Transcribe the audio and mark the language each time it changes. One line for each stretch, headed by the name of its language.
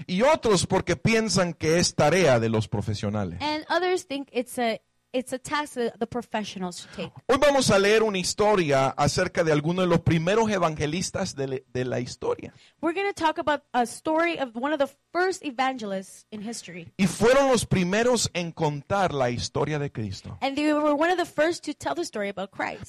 Spanish: Y otros porque piensan que es tarea de los profesionales.
English: And others think it's a task that the professionals should take.
Spanish: Hoy vamos a leer una historia acerca de alguno de los primeros evangelistas de la historia.
English: We're going to talk about a story of one of the first evangelists in history.
Spanish: Y fueron los primeros en contar la historia de Cristo.
English: And they were one of the first to tell the story about Christ.